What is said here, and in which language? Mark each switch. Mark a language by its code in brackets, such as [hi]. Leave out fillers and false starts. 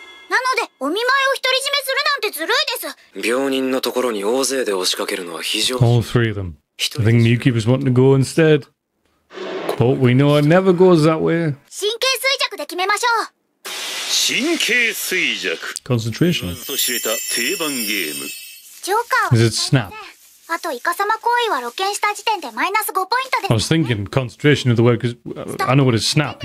[ja] なのでお見舞いを独り占めするなんてずるいです。病人のところに大勢で押しかけるのは非常。 [en] All three of them. I think Miyuki was wanting to go instead. But we know it never goes that way. [ja] 神経衰弱で決めましょう。神経衰弱。 [en] Concentration. [ja] 言わずと知れた定番ゲーム。ジョーカーを [en] Is it snap? [ja] あとイカ様行為は露見した時点でマイナス5ポイントです。 [en] I was thinking concentration of the word, because I know what is snap.